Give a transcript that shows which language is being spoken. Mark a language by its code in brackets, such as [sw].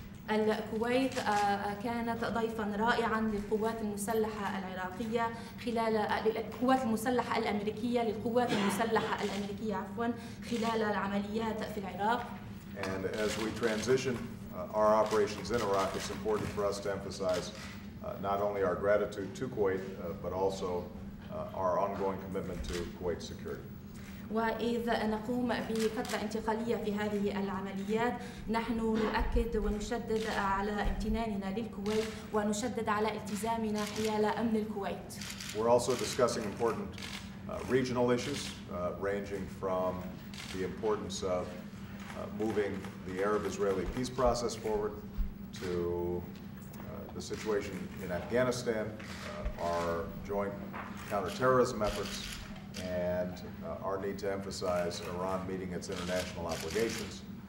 [ar] الكويت كانت ضيفا رائعا للقوات المسلحة العراقية خلال القوات المسلحة الأمريكية للقوات المسلحة الأمريكية عفوا خلال العمليات في العراق. [en] And as we transition our operations in Iraq, it's important for us to emphasize not only our gratitude to Kuwait but also our ongoing commitment to Kuwait security. [ar] وإذا نقوم بفترة انتقالية في هذه العمليات نحن نؤكد ونشدد على امتناننا للكويت ونشدد على التزامنا حيال أمن الكويت. [en] We're also discussing important regional issues ranging from the importance of moving the Arab-Israeli peace process forward to the situation in Afghanistan, our joint counterterrorism efforts, and our need to emphasize Iran meeting its international obligations.